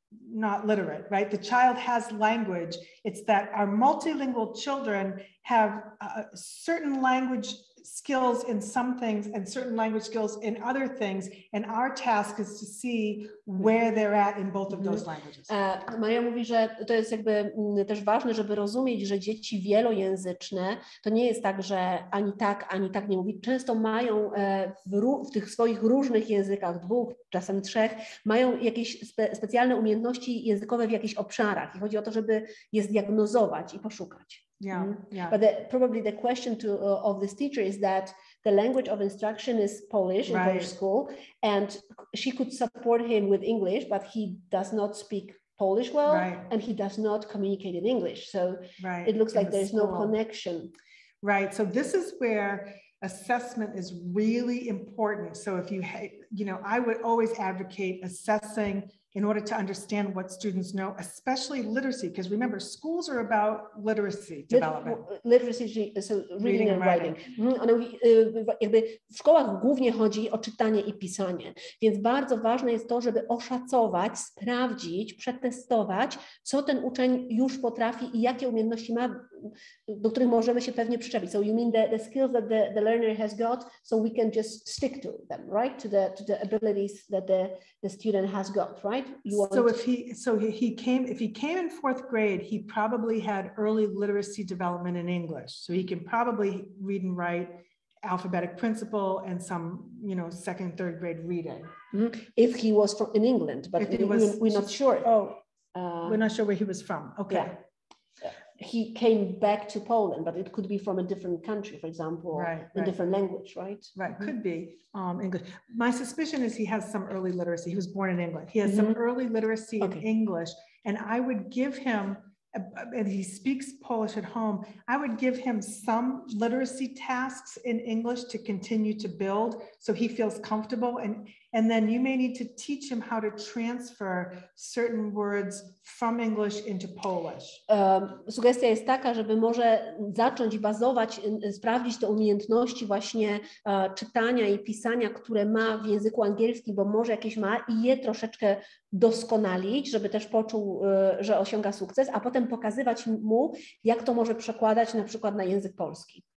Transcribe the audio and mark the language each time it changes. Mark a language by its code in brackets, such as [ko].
[en] not literate, right? The child has language. It's that our multilingual children have certain language skills in some things and certain language skills in other things. And our task is to see where they're at in both of those languages. [pl] Maria mówi, że to jest jakby też ważne, żeby rozumieć, że dzieci wielojęzyczne, to nie jest tak, że ani tak nie mówi. Często mają w tych swoich różnych językach, dwóch, czasem trzech, mają jakieś specjalne umiejętności językowe w jakichś obszarach. I chodzi o to, żeby je zdiagnozować i poszukać. [en] Yeah, yeah. But probably the question to of this teacher is that the language of instruction is Polish in her school, and she could support him with English, but he does not speak Polish well, and he does not communicate in English. So it looks like there's no connection. Right. So this is where assessment is really important. So if you, I would always advocate assessing in order to understand what students know, especially literacy, because remember, schools are about literacy development. Literacy, so reading and writing. One, [pl] jakby w szkołach głównie chodzi o czytanie i pisanie, więc bardzo ważne jest to, żeby oszacować, sprawdzić, przetestować, co ten uczeń już potrafi i jakie umiejętności ma, do których możemy się pewnie przyczepić. [en] So you mean the skills that the learner has got, so we can just stick to them, right? To the abilities that the student has got, right? So if he came in fourth grade, he probably had early literacy development in English. So he can probably read and write alphabetic principle and some, second, third grade reading. Mm-hmm. If he was from in England, but we're not sure. We're not sure where he was from. Okay. Yeah. He came back to Poland, but it could be from a different country, for example, a different language, right? Right. Mm-hmm. Could be. English. My suspicion is he has some early literacy. He was born in England. He has mm-hmm. some early literacy in English, and I would give him, and he speaks Polish at home, I would give him some literacy tasks in English to continue to build so he feels comfortable. And then you may need to teach him how to transfer certain words from English into Polish. [pl] Sugestia jest taka, żeby może zacząć bazować, sprawdzić te umiejętności właśnie czytania i pisania, które ma w języku angielskim, bo może jakieś ma, i je troszeczkę doskonalić, żeby też poczuł, że osiąga sukces, a potem pokazywać mu, jak to może przekładać na przykład na język polski.